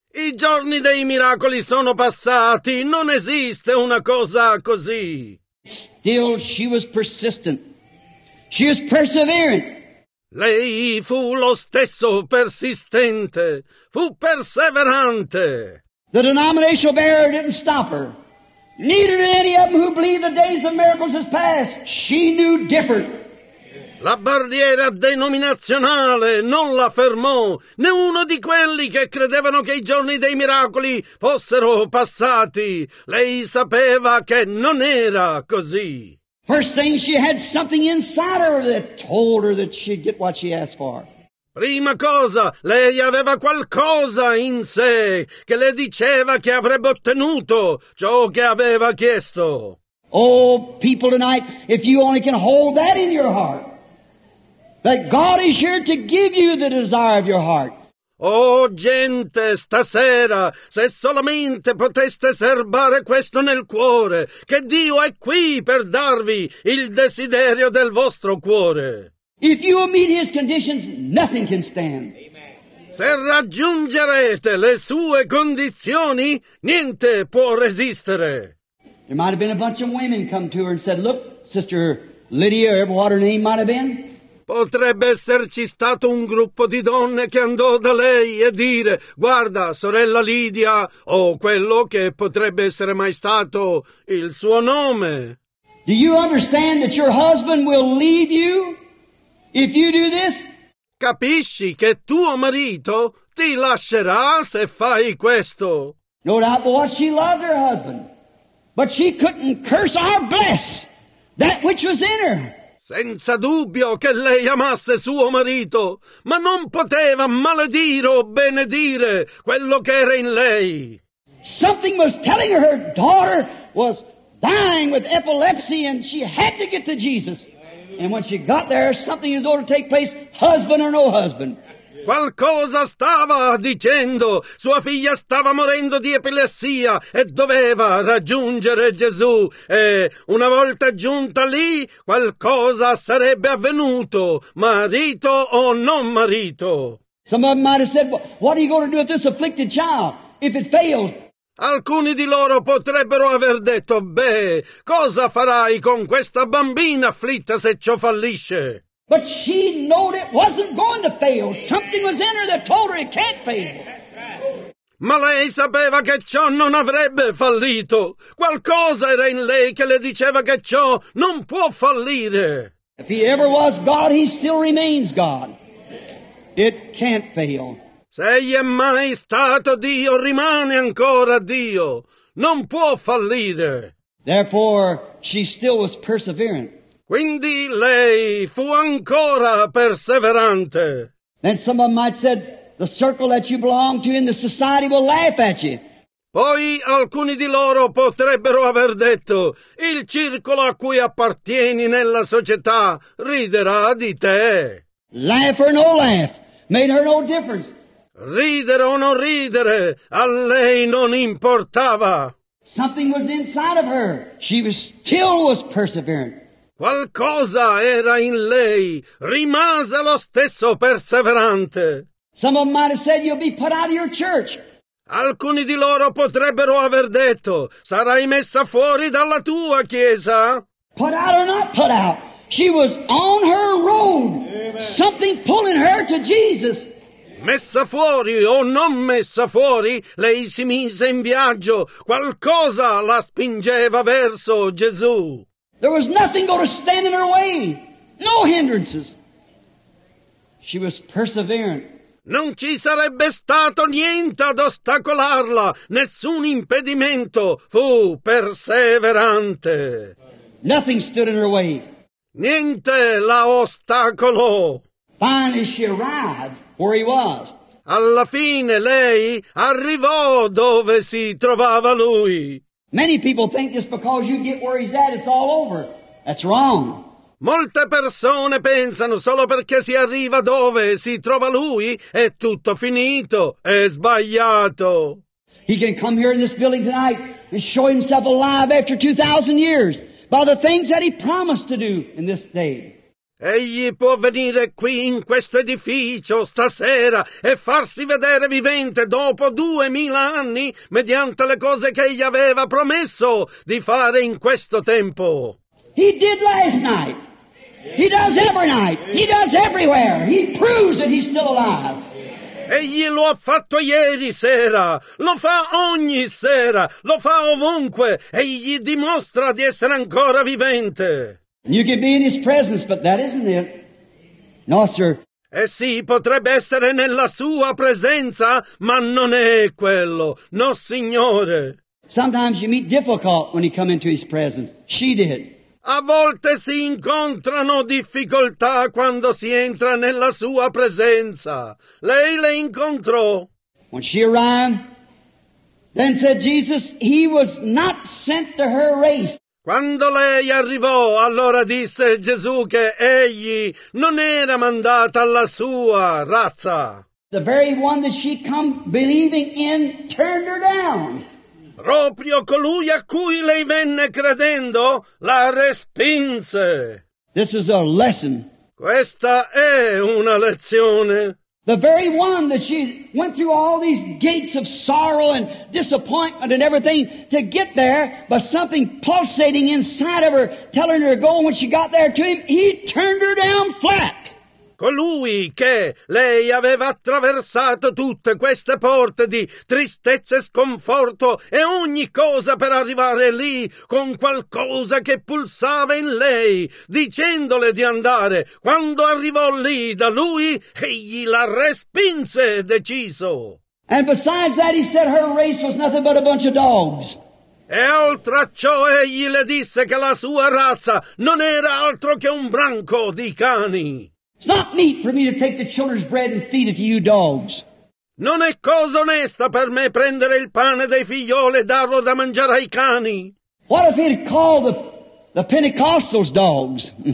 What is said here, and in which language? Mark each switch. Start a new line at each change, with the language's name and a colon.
Italian: I giorni dei miracoli sono passati, non esiste una cosa così.
English: Still she was persistent. She was persevering.
Italian: Lei fu lo stesso persistente, fu perseverante.
English: The denominational barrier didn't stop her. Neither did any of them who believe the days of miracles is past. She knew different.
Italian: La barriera denominazionale non la fermò. Né uno di quelli che credevano che i giorni dei miracoli fossero passati. Lei sapeva che non era così.
English: First thing, she had something inside her that told her that she'd get what she asked for.
Italian: Prima cosa, lei aveva qualcosa in sé che le diceva che avrebbe ottenuto ciò che aveva chiesto.
English: Oh, people tonight, if you only can hold that in your heart, that God is here to give you the desire of your heart.
Italian: Oh, gente, stasera, se solamente poteste serbare questo nel cuore, che Dio è qui per darvi il desiderio del vostro cuore.
English: If you will meet his conditions, nothing can stand.
Italian: Se raggiungerete le sue condizioni, niente può resistere.
English: There might have been a bunch of women come to her and said, look, Sister Lydia, or what her name might have been.
Italian: Potrebbe esserci stato un gruppo di donne che andò da lei e dire, guarda, sorella Lydia, o quello che potrebbe essere mai stato il suo nome.
English: Do you understand that your husband will leave you? If you do this,
Italian: capisci che tuo marito ti lascerà se fai questo.
English: No doubt, boy, she loved her husband, but she couldn't curse or bless that which was in her.
Italian: Senza dubbio che lei amasse suo marito, ma non poteva maledire o benedire quello che era in lei.
English: Something was telling her daughter was dying with epilepsy and she had to get to Jesus. And when she got there, something is going to take place, husband or no husband.
Italian: Qualcosa stava dicendo. Sua figlia stava morendo di epilessia e doveva raggiungere Gesù. E una volta giunta lì, qualcosa sarebbe avvenuto, marito o non marito.
English: Some of them might have said, what are you going to do with this afflicted child if it fails?
Italian: Alcuni di loro potrebbero aver detto, beh, cosa farai con questa bambina afflitta se ciò fallisce?
English: But she knew it wasn't going to fail. Something was in her that told her it can't fail.
Italian: Ma lei sapeva che ciò non avrebbe fallito. Qualcosa era in lei che le diceva che ciò non può fallire.
English: If he ever was God, he still remains God. It can't fail.
Italian: Se egli è mai stato Dio, rimane ancora Dio. Non può fallire.
English: Therefore, she still was perseverant.
Italian: Quindi lei fu ancora perseverante.
English: Then some of them might said, the circle that you belong to in the society will laugh at you.
Italian: Poi alcuni di loro potrebbero aver detto, il circolo a cui appartieni nella società riderà di te.
English: Laugh or no laugh, made her no difference.
Italian: Ridere o non ridere, a lei non importava.
English: Something was inside of her. She still was persevering.
Italian: Qualcosa era in lei. Rimase lo stesso perseverante.
English: Some of them might have said, you'll be put out of your church.
Italian: Alcuni di loro potrebbero aver detto, sarai messa fuori dalla tua chiesa.
English: Put out or not put out. She was on her road. Amen. Something pulling her to Jesus.
Italian: Messa fuori o non messa fuori, lei si mise in viaggio. Qualcosa la spingeva verso Gesù.
English: There was nothing going to stand in her way. No hindrances. She was perseverant.
Italian: Non ci sarebbe stato niente ad ostacolarla, nessun impedimento, fu perseverante.
English: Nothing stood in her way.
Italian: Niente la ostacolò.
English: Finally she arrived where he was.
Italian: Alla fine lei arrivò dove si trovava lui.
English: Many people think just because you get where he's at, it's all over. That's wrong.
Italian: Molte persone pensano solo perché si arriva dove si trova lui è tutto finito. È sbagliato.
English: He can come here in this building tonight and show himself alive after 2,000 years by the things that he promised to do in this day.
Italian: Egli può venire qui in questo edificio stasera e farsi vedere vivente dopo 2,000 anni mediante le cose che egli aveva promesso di fare in questo tempo.
English: He did last night. He does every night. He does everywhere. He proves that he's still alive.
Italian: Egli lo ha fatto ieri sera. Lo fa ogni sera. Lo fa ovunque. Egli dimostra di essere ancora vivente.
English: You can be in his presence, but that isn't it. No, sir.
Italian: Eh sì, potrebbe essere nella sua presenza, ma non è quello. No, signore.
English: Sometimes you meet difficult when you come into his presence. She did.
Italian: A volte si incontrano difficoltà quando si entra nella sua presenza. Lei le incontrò.
English: When she arrived, then said Jesus, he was not sent to her race.
Italian: Quando lei arrivò, allora disse Gesù che egli non era mandata alla sua razza.
English: The very one that she come believing in turned her down.
Italian: Proprio colui a cui lei venne credendo la respinse.
English: This is a lesson.
Italian: Questa è una lezione.
English: The very one that she went through all these gates of sorrow and disappointment and everything to get there, but something pulsating inside of her, telling her to go, and when she got there to him, he turned her down flat.
Italian: Colui che lei aveva attraversato tutte queste porte di tristezza e sconforto e ogni cosa per arrivare lì con qualcosa che pulsava in lei, dicendole di andare. Quando arrivò lì da lui, egli la respinse deciso.
English: And besides that, he said her race was nothing but a bunch of dogs.
Italian: E oltre a ciò, egli le disse che la sua razza non era altro che un branco di cani.
English: It's not meet for me to take the children's bread and feed it to you dogs.
Italian: Non è cosa onesta per me prendere il pane dei figlioli e darlo da mangiare ai cani.
English: What if he'd called the Pentecostals dogs?